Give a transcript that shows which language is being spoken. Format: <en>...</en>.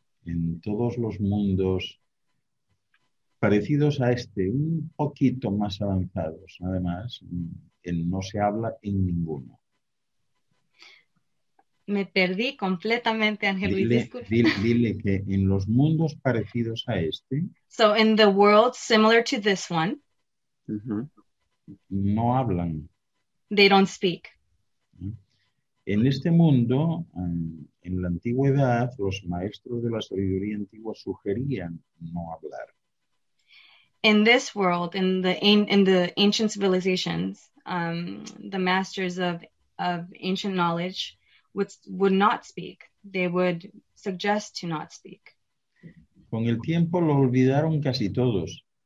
<es>En todos los mundos parecidos a este, un poquito más avanzados, además, no se habla en ninguno. Me perdí completamente, Ángel Luis. Dile que en los mundos parecidos a este.</es> <en>So in the world similar to this one.</en> <es>Mm-hmm. No hablan.</es> <en>They don't speak.</en> <es>En este mundo, en la antigüedad, los maestros de la sabiduría antigua sugerían no hablar.</es> <en>In this world, in the ancient civilizations, the masters of ancient knowledge would not speak. They would suggest to not speak.</en> <es>Con el tiempo lo olvidaron casi todos.</es>